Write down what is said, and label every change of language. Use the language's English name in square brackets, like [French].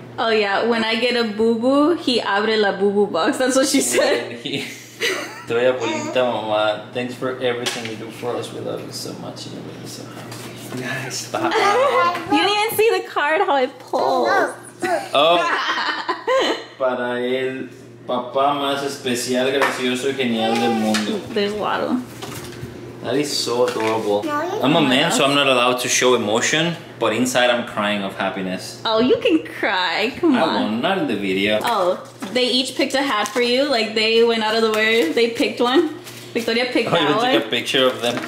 [English] Oh yeah, when I get a boo-boo, he abre la boo-boo box. That's what she said. Doy abuelita, mamá. Thanks for everything you do for us. We love you so much. And you're really so happy. Nice. You didn't even see the card, how it pulls. Oh. [Spanish] Para el papá más especial, gracioso y genial del mundo. [English] There's a lot of them. That is so adorable. I'm a man, so I'm not allowed to show emotion, but inside I'm crying of happiness. Oh, you can cry. Come on. I won't, not in the video. Oh, they each picked a hat for you? Like, they went out of the way, they picked one? Victoria picked that one? Oh, you took a picture of them?